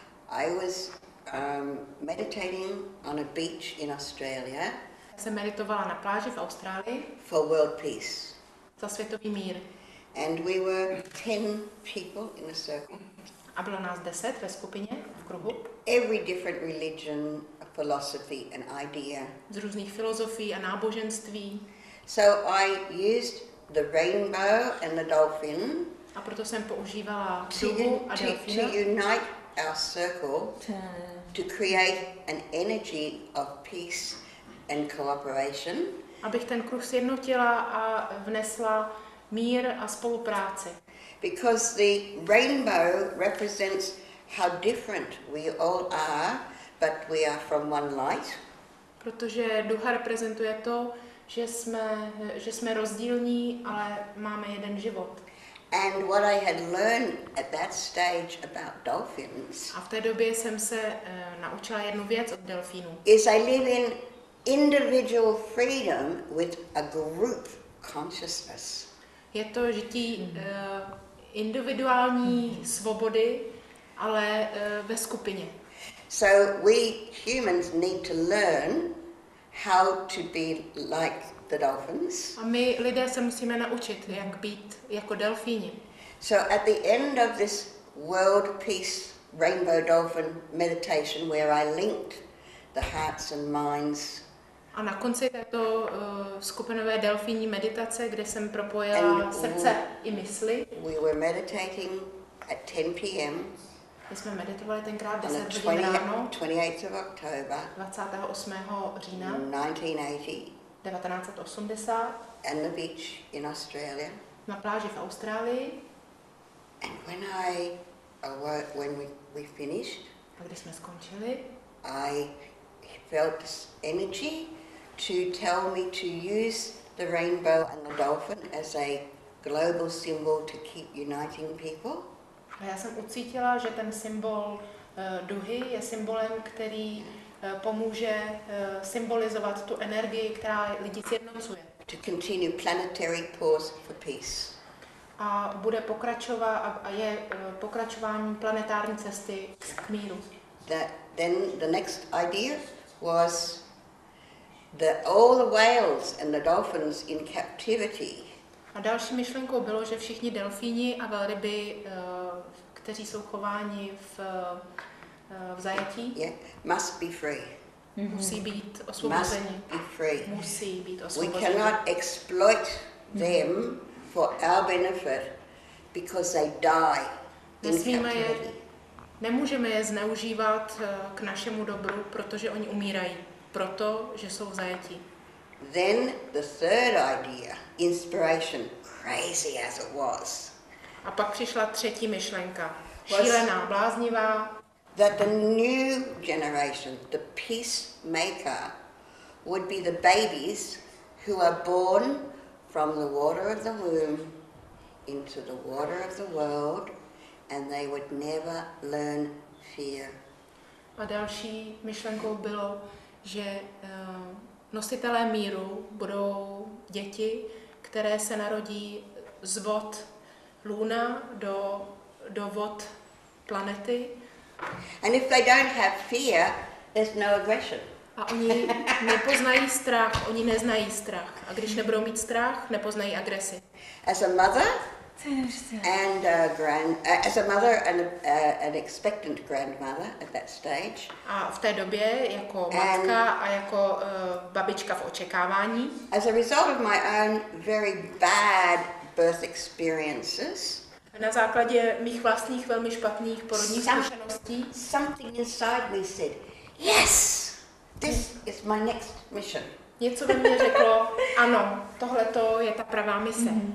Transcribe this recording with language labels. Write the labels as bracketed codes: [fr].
[en] I was meditating on a beach in Australia. [cs] Já jsem meditovala na pláži v Austrálii. [en] For world peace. [cs] Za světový mír. [en] And we were 10 people in a circle. [cs] A bylo nás 10 ve skupině, v kruhu. [en] Every different religion, philosophy and idea. [cs] Z různých filozofií a náboženství. [en] So I used the rainbow and the dolphin. [cs] A proto jsem používala kruhu a delfína. [en] To unite our circle to create an energy of peace and cooperation. [cs] Abych ten kruh sjednotila a vnesla mír a spolupráci. [en] Because the rainbow represents how different we all are, but we are from one light. [cs] Protože duha reprezentuje to, že jsme rozdílní, ale máme jeden život. [en] And what I had learned at that stage about dolphins. [cs] A v té době jsem se naučila jednu věc od delfínů. [en] Is I live in individual freedom with a group consciousness. [cs] Je to žití individuální svobody, ale ve skupině. [en] So we humans need to learn how to be like the dolphins. [cs] A my lidé se musíme naučit, jak být jako delfíni. [en] So at the end of this world peace rainbow dolphin meditation where I linked the hearts and minds. [cs] A na konci této skupinové delfíní meditace, kde jsem propojila srdce i mysli. [en] We were meditating at 10 p.m. [cs] My jsme meditovali tenkrát 10 hodin ráno. 28. října 1980. [en] And the beach in Australia. [cs] Na pláži v Austrálii. [en] And when I awoke, when we finished. [cs] A když jsme skončili. [en] I felt this energy to tell me to use the rainbow and the dolphin as a global symbol to keep uniting people. [cs] A já jsem ucítila, že ten symbol duhy je symbolem, který pomůže symbolizovat tu energii, která lidi sjednocuje. [en] To continue planetary pause for peace. [cs] A bude pokračovat a je pokračováním planetární cesty k míru. [en] Then the next idea was the all the whales and the dolphins in captivity. [cs] A další myšlenkou bylo, že všichni delfíni a velryby, kteří jsou chováni v zajetí, [en] must be free. [cs] Musí být osvobozeni. [en] Must be free. [cs] Musí být osvobozeni. [en] We cannot exploit them for our benefit because they die in captivity. [cs] Nemůžeme je zneužívat k našemu dobru, protože oni umírají, protože jsou v zajetí. [en] Then the third idea, inspiration, crazy as it was. [cs] A pak přišla třetí myšlenka, šílená, bláznivá. [en] That the new generation, the peacemaker, would be the babies who are born from the water of the womb into the water of the world, and they would never learn fear. [cs] A další myšlenkou bylo, že nositelé míru budou děti, které se narodí z vod Luna do vod planety. [en] And if they don't have fear, there's no aggression. [cs] A oni nepoznají strach, oni neznají strach. A když nebudou mít strach, nepoznají agresi. [en] As a mother and a grand, as a mother and a, an expectant grandmother at that stage. [cs] A v té době jako matka a jako babička v očekávání. [en] As a result of my own very bad birth experiences. [cs] Na základě mých vlastních velmi špatných porodních zkušeností. [en] Something inside me said, yes. This is my next mission. [cs] Něco ve mně řeklo, ano, tohle to je ta pravá mise.